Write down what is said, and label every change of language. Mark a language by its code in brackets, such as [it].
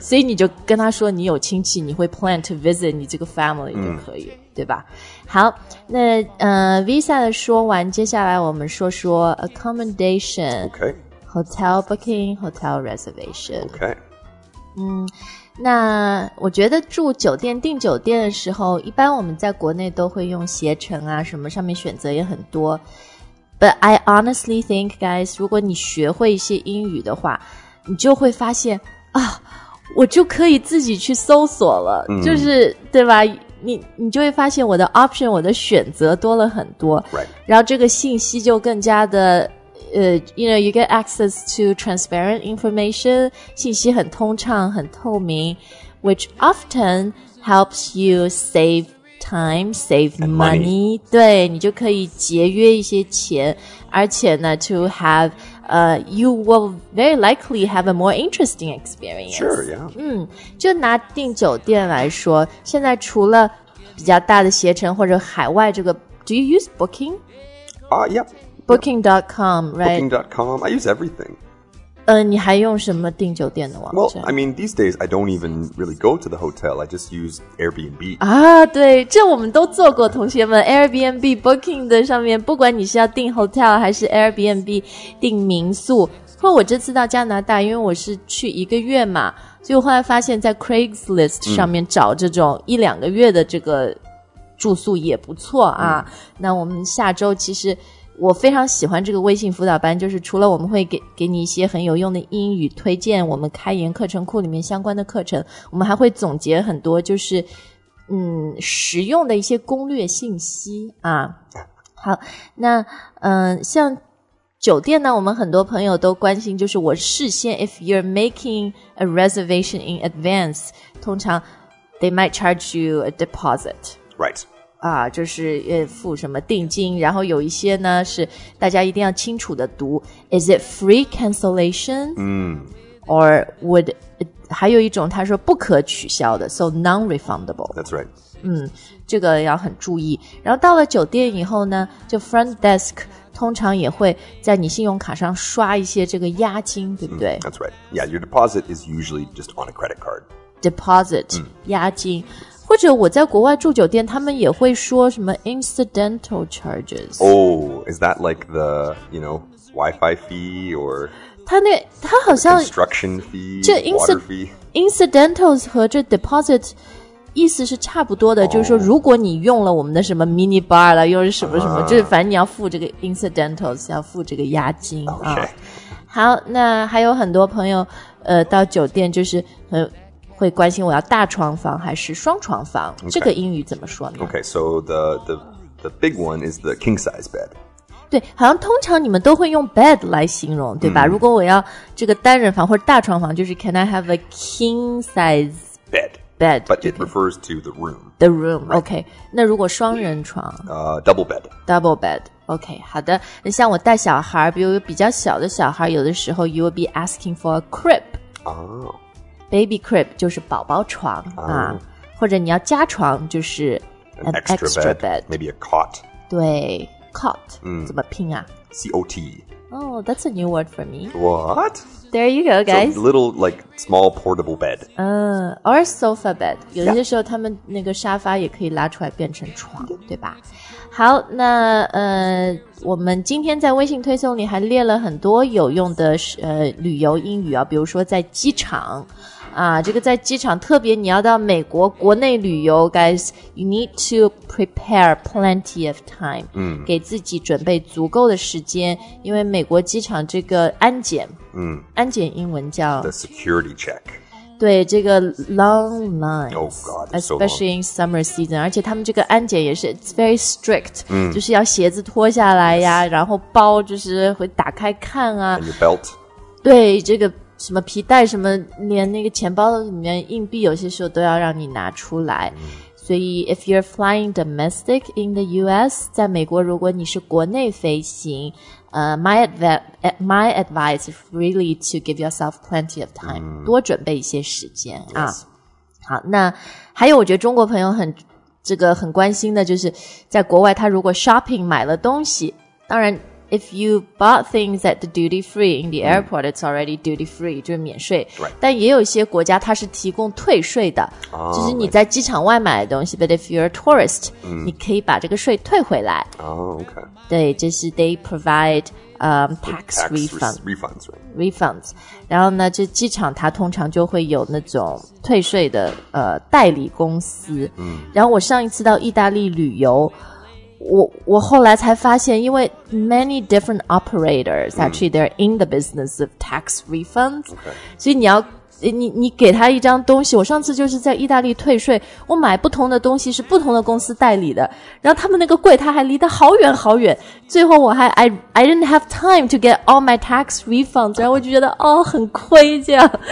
[zh] 所以你就跟他说你有亲戚你会 [en] plan to visit [zh] 你这个 family 就可以、对吧好那visa 的说完接下来我们说说 accommodation [en] Okay. Hotel booking, hotel reservation Okay. [zh] 那我觉得住酒店订酒店的时候一般我们在国内都会用携程啊什么上面选择也很多 [en] But I honestly think guys [zh] 如果你学会一些英语的话你就会发现啊，我就可以自己去搜索了、就是对吧你就会发现我的 option 我的选择多了很多、 [en] right. [zh] 然后这个信息就更加的 [en] you know you get access to transparent information [zh] 信息很通畅很透明 [en] which often helps you save time save money [zh] 对你就可以节约一些钱而且呢 [en] to haveyou will very likely have a more interesting experience. Sure, yeah. [zh] 就拿订酒店来说，现在除了比较大的携程或者海外这个， [en] do you use Booking? Yeah. Booking.com, right? Booking.com, I use everything. [zh] 你还用什么订酒店的网站 [en] Well, I mean, these days, I don't even really go to the hotel. I just use Airbnb. [zh] 啊，对，这我们都做过，同学们。Airbnb Booking 的上面，不管你是要订 hotel 还是 Airbnb 订民宿，或我这次到加拿大，因为我是去一个月嘛，所以我后来发现在 Craigslist 上面找这种一两个月的这个住宿也不错啊。嗯、那我们下周其实我非常喜欢这个微信辅导班，就是除了我们会给你一些很有用的英语推荐，我们开源课程库里面相关的课程，我们还会总结很多就是实用的一些攻略信息啊。好，那像酒店呢，我们很多朋友都关心，就是我事先 [en] if you're making a reservation in advance, [zh] 通常 [en] they might charge you a deposit. Right. [zh] 啊，就是付什么定金，然后有一些呢是大家一定要清楚的读 ， [en] Is it free cancellation？嗯，or would？ [zh] 还有一种他说不可取消的 ， [en] so non-refundable。 That's right。 [zh] 嗯，这个要很注意。然后到了酒店以后呢，就 [en] front desk [zh] 通常也会在你信用卡上刷一些这个押金，对不对、 [en] ？That's right。 Yeah， your deposit is usually just on a credit card。 [zh] Deposit，、押金。或者我在国外住酒店，他们也会说什么 incidental charges. [en] Oh, is that like the, you know, Wi-Fi fee or [zh] 他好像 [en] construction fee, water fee? [zh] Incidentals 和这 deposit 意思是差不多的、oh. 就是说如果你用了我们的什么 mini bar 了，又是什么什么、就是反正你要付这个 incidentals, 要付这个押金、 [en] okay. [zh] 好，那还有很多朋友到酒店就是很会关心我要大床房还是双床房、 [en] okay. [zh] 这个英语怎么说呢 [en] Okay, so the big one is the king size bed. [zh] 对，好像通常你们都会用 bed 来形容，对吧、如果我要这个单人房或者大床房，就是 [en] can I have a king size bed? Bed, but it refers to the room. The room,、right. okay. [zh] 那如果双人床、 [en] double bed. Double bed, okay. [zh] 好的，那像我带小孩，比如比较小的小孩，有的时候 [en] you will be asking for a crib. Oh. [zh] Baby crib 就是宝宝床、啊，或者你要加床就是 [en] an extra bed, maybe a cot. [zh] 对 ，cot、怎么拼啊 [en] ？C O T. Oh, that's a new word for me. What? There you go, guys. So, little like small portable bed. Or sofa bed. [zh] 有些时候他们那个沙发也可以拉出来变成床， yeah. 对吧？好，那我们今天在微信推送里还列了很多有用的旅游英语啊，比如说在机场啊，这个在机场，特别你要到美国国内旅游 ， [en] guys, you need to prepare plenty of time， [zh] 给自己准备足够的时间，因为美国机场这个安检，安检英文叫 [en] the security check。 [zh] 对，这个 long lines, [en] oh God, especially、 so、 in summer season, [zh] 而且他们这个安检也是 [en] it's very strict,、 [zh] 就是要鞋子脱下来呀、 [en] yes. [zh] 然后包就是会打开看啊。 [en] And your belt. [zh] 对，这个什么皮带什么连那个钱包里面硬币有些时候都要让你拿出来。 [en] 所以 if you're flying domestic in the US, [zh] 在美国如果你是国内飞行 [en] my advice is really to give yourself plenty of time,、 [zh] 多准备一些时间、 [en] yes. 啊。 [zh] 好，那还有我觉得中国朋友很这个很关心的就是在国外他如果 shopping 买了东西，当然 [en] if you bought things at the duty free in the airport,、 it's already duty free, [zh] 就是免税、 [en] right. [zh] 但也有一些国家它是提供退税的、就是你在机场外买的东西、 [en] right. but if you're a tourist,、 [zh] 你可以把这个税退回来。 [en] Okay. [zh] 对，就是 [en] they provide,tax refunds. Refunds, right. Refunds. [zh] 然后呢这机场它通常就会有那种退税的代理公司。然后我上一次到意大利旅游我后来才发现因为 [en] many different operators actually they're in the business of tax refunds.、 Okay. [zh] 所以你给他一张东西我上次就是在意大利退税我买不同的东西是不同的公司代理的然后他们那个柜台还离得好远好远最后我还 [en] I didn't have time to get all my tax refunds [zh] 然后我就觉得哦很亏这样、